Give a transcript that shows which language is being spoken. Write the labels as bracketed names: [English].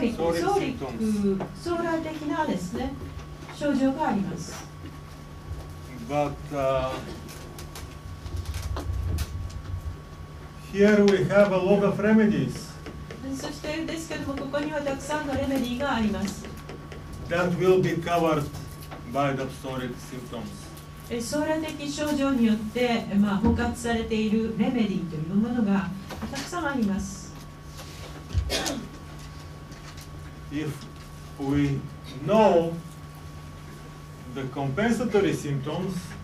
[Japanese] ソーラー的なですね、症状があります。 [English] But here we have a lot of remedies. [Japanese] そしてですけども、ここにはたくさんのレメディーがあります。 [English] That will be covered by the psoriatic symptoms. [Japanese] ソーラー的症状によって、まあ、包括されているレメディーというものがたくさんあります。 [English] If we know the compensatory symptoms,